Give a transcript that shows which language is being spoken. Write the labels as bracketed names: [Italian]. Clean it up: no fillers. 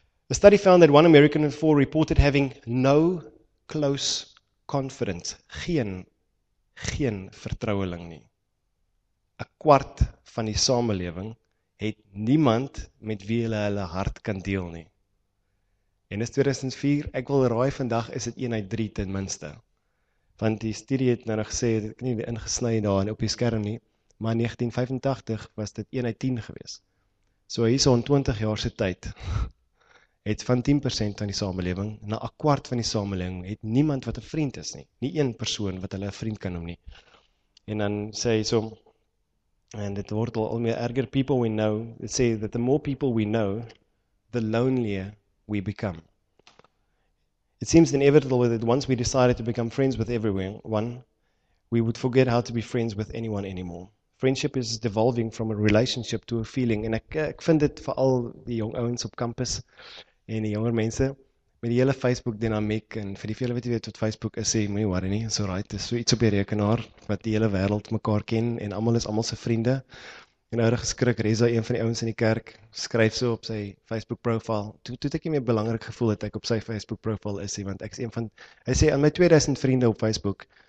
[English] A study found that one American in four reported having no close confidence. [Afrikaans] Geen vertroueling nie. 'n Kwart van die samelewing het niemand met wie hulle hart kan deel nie. En dis 2004, ek wil raai vandag is dit 1 uit 3 ten minste. Want die studie het nou gesê, dit kan nie weer ingesny daar op die skerm nie, maar 1985 was dit 1 uit 10 gewees. So hierso in 20 jaar se tyd het van 10% van die samelewing na 'n kwart van die samelewing het niemand wat 'n vriend is nie. Nie een persoon wat hulle 'n vriend kan noem nie. En dan sê hy so, And dit word al meer erger. [English] People we know, they say that the more people we know, the lonelier we become. It seems inevitable that once we decided to become friends with everyone, we would forget how to be friends with anyone anymore. Friendship is devolving from a relationship to a feeling. [Afrikaans] En ek vind dit vir al die jong ouens op kampus en die jonger mense met die hele Facebook dinamiek en vir die vele wat jy weet wat Facebook is, sê moenie worry nie, so right, dis so iets op die rekenaar wat die hele wêreld mekaar ken en almal is almal se vriende. En ouer geskrik, Reza, een van die ouens in die kerk, skryf so op sy Facebook profile. Toe het ek nie meer belangrik gevoel dat ek op sy Facebook profile is nie, want ek is een van hy sê aan my 2000 vriende op Facebook.